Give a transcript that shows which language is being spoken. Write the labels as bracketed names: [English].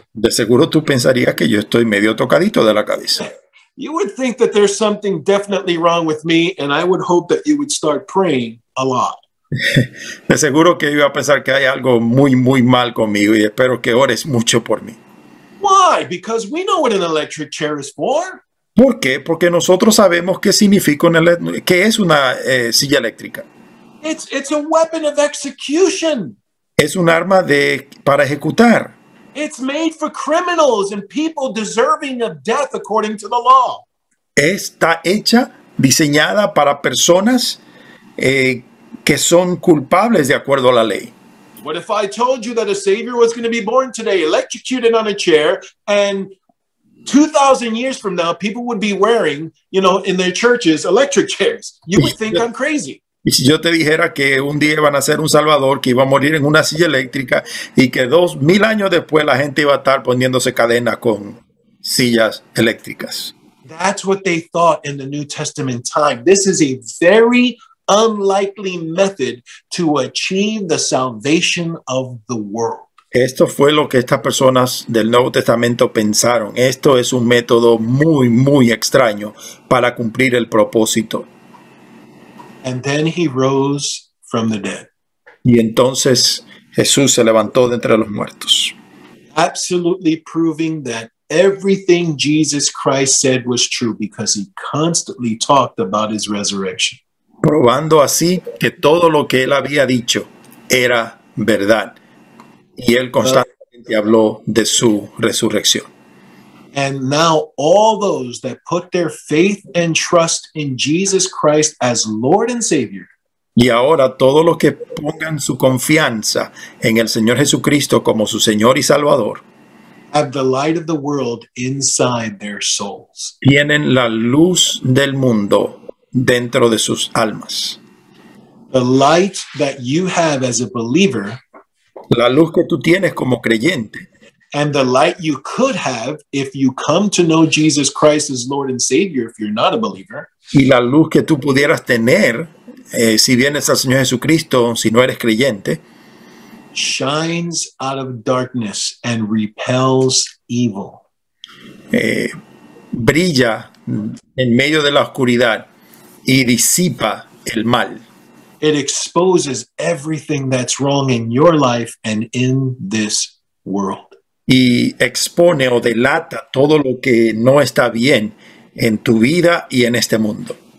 [Spanish] De seguro tú pensarías que yo estoy medio tocadito de la cabeza. [English] You would think that there's something definitely wrong with me, and I would hope that you would start praying a lot. [Spanish] De seguro que iba a pensar que hay algo muy, muy mal conmigo y espero que ores mucho por mí. [English] Why? Because we know what an electric chair is for. [Spanish] ¿Por qué? Porque nosotros sabemos qué significa qué es una silla eléctrica. [English] It's a weapon of execution. [Spanish] Es un arma para ejecutar. [English] It's made for criminals and people deserving of death according to the law. [Spanish] Está hecha, diseñada para personas que son culpables de acuerdo a la ley. [English] What if I told you that a savior was going to be born today, electrocuted on a chair, and 2,000 years from now, people would be wearing, you know, in their churches, electric chairs. You would think I'm crazy. [Spanish] Y si yo te dijera que un día iban a ser un salvador, que iba a morir en una silla eléctrica y que 2,000 años después la gente iba a estar poniéndose cadenas con sillas eléctricas. [English] That's what they thought in the New Testament time. This is a very unlikely method to achieve the salvation of the world. [Spanish] Esto fue lo que estas personas del Nuevo Testamento pensaron. Esto es un método muy, muy extraño para cumplir el propósito. [English] And then he rose from the dead. [Spanish] Y entonces Jesús se levantó de entre los muertos. [English] Absolutely proving that everything Jesus Christ said was true because he constantly talked about his resurrection. [Spanish] Probando así que todo lo que él había dicho era verdad. Y él constantemente habló de su resurrección. [English] And now all those that put their faith and trust in Jesus Christ as Lord and Savior. [Spanish] Y ahora todos los que pongan su confianza en el Señor Jesucristo como su Señor y Salvador. [English] Have the light of the world inside their souls. [Spanish] Tienen la luz del mundo dentro de sus almas. [English] The light that you have as a believer. [Spanish] La luz que tú tienes como creyente. [English] And the light you could have if you come to know Jesus Christ as Lord and Savior if you're not a believer. [Spanish] Y la luz que tú pudieras tener si vienes al Señor Jesucristo, si no eres creyente. [English] Shines out of darkness and repels evil. [Spanish] Brilla en medio de la oscuridad y disipa el mal. [English] It exposes everything that's wrong in your life and in this world. [Spanish] Y expone o delata todo lo que no está bien en tu vida y en este mundo.